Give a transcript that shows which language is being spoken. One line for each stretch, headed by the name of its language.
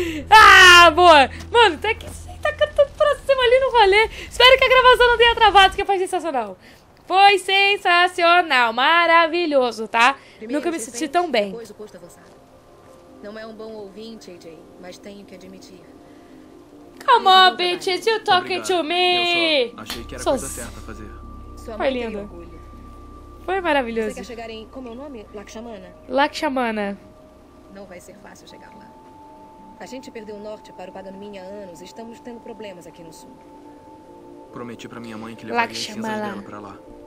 Portuguese: Ah, boa. Mano, tá aqui, tá cantando pra cima ali no rolê. Espero que a gravação não tenha travado, que foi sensacional. Foi sensacional, maravilhoso, tá? Primeiro, nunca me senti tão bem. Não é um bom ouvinte, AJ, mas tenho que admitir.
English: Come on, bitches, you talking to me.
Portuguese: Eu só achei que era coisa certa a fazer. Foi linda. Foi maravilhoso. Você quer chegar em... Como é o nome? Lakshmana? Lakshmana. Não vai ser fácil chegar lá. A gente perdeu o norte para o Paganmin há anos e estamos tendo problemas aqui no sul. Prometi para minha mãe que levaria as cinzas dela para lá.